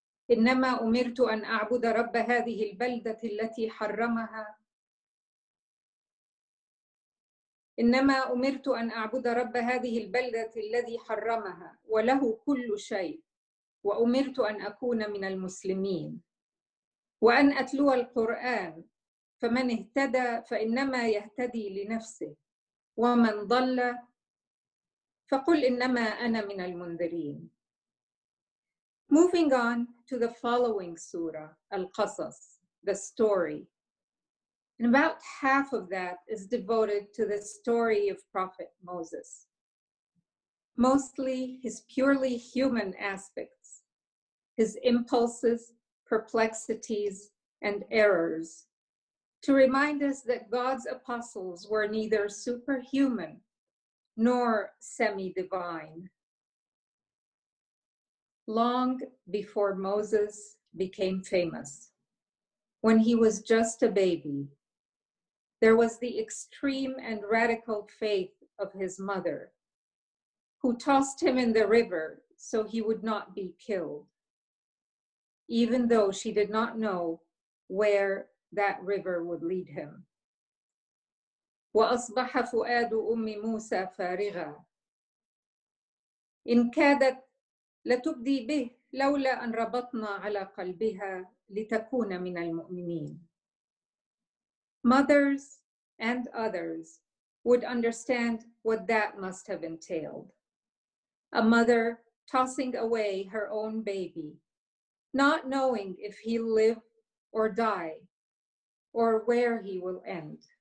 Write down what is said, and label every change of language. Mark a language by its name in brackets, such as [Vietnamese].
[Arabic] إنما أمرت أن أعبد رب هذه البلدة التي حرمها إنما أمرت أن أعبد رب هذه البلدة الذي حرمها وله كل شيء وأمرت أن أكون من المسلمين وأن أتلو القرآن فمن اهتدى فإنما يهتدي لنفسه ومن ضل فقل إنما أنا من المنذرين. [English] Moving on to the following surah, Al-Qasas, the story. And about half of that is devoted to the story of Prophet Moses. Mostly his purely human aspects, his impulses, perplexities, and errors, to remind us that God's apostles were neither superhuman nor semi-divine. Long before Moses became famous, when he was just a baby, there was the extreme and radical faith of his mother, who tossed him in the river so he would not be killed, even though she did not know where that river would lead him. [Arabic] وَأَصْبَحَ فُؤَادُ أُمِّ مُوسَى فَارِغًا إِنْ كَادَتْ لتبدي به لولا أن ربطنا على قلبها لتكون من المؤمنين. [English] Mothers and others would understand what that must have entailed. A mother tossing away her own baby, not knowing if he'll live or die, or where he will end.